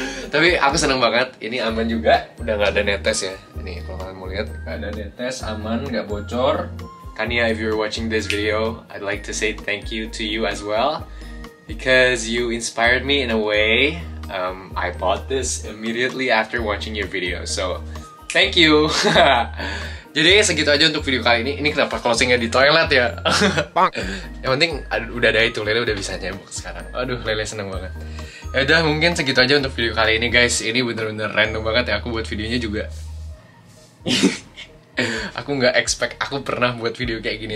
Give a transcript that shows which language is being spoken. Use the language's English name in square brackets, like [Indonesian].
[Indonesian] Tapi aku seneng banget, ini aman juga. Udah gak ada netes ya. Ini kalau kalian mau lihat, gak ada netes, aman, gak bocor. [English] Kania, if you're watching this video, I'd like to say thank you to you as well. Because you inspired me in a way. I bought this immediately after watching your video. So, thank you. [Indonesian] Jadi segitu aja untuk video kali ini. Ini kenapa closingnya di toilet ya? Yang penting udah ada itu, Lele udah bisa nyebok sekarang. Aduh, Lele seneng banget. Yaudah, mungkin segitu aja untuk video kali ini guys. Ini bener-bener random banget ya, aku buat videonya juga aku gak expect aku pernah buat video kayak gini.